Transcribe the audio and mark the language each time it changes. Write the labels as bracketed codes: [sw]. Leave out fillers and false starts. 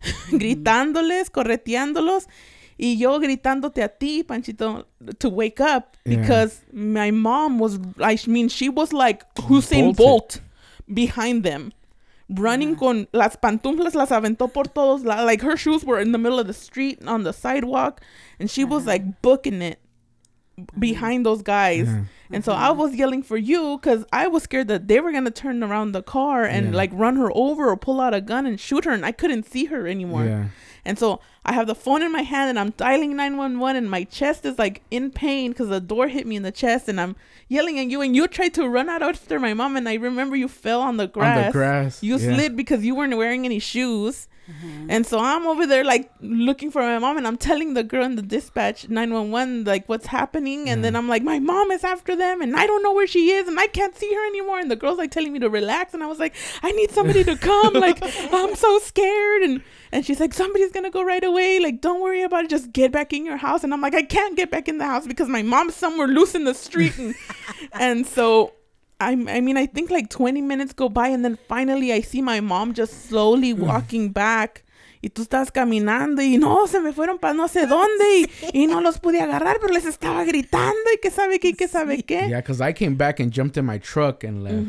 [es] Gritándoles, correteándolos y yo gritándote a ti, Panchito, [en] to wake up. Because my mom was, I mean, she was like Usain Bolt behind them. [es] Running con las pantuflas, las aventó por todos lados. [en] Like, her shoes were in the middle of the street, on the sidewalk. And she was, like, booking it behind those guys. Yeah. And so I was yelling for you because I was scared that they were going to turn around the car and, like, run her over or pull out a gun and shoot her. And I couldn't see her anymore. Yeah. And so I have the phone in my hand and I'm dialing 911 and my chest is, like, in pain because the door hit me in the chest. And I'm yelling at you and you tried to run out after my mom. And I remember you fell on the grass. On the grass. You slid because you weren't wearing any shoes. Mm-hmm. And so I'm over there, like, looking for my mom, and I'm telling the girl in the dispatch 911, like, what's happening. And then I'm like, my mom is after them and I don't know where she is and I can't see her anymore. And the girl's like telling me to relax, and I was like, I need somebody to come. Like, I'm so scared. And she's like, somebody's gonna go right away, like, don't worry about it, just get back in your house. And I'm like, I can't get back in the house because my mom's somewhere loose in the street. And so I think like 20 minutes go by and then finally I see my mom just slowly walking back. [es] Y tú estás caminando y no, se me fueron para no sé dónde y no los pude agarrar, pero les estaba gritando y qué sabe qué, qué sabe qué. [en] Yeah, because I came back and jumped in my truck and left.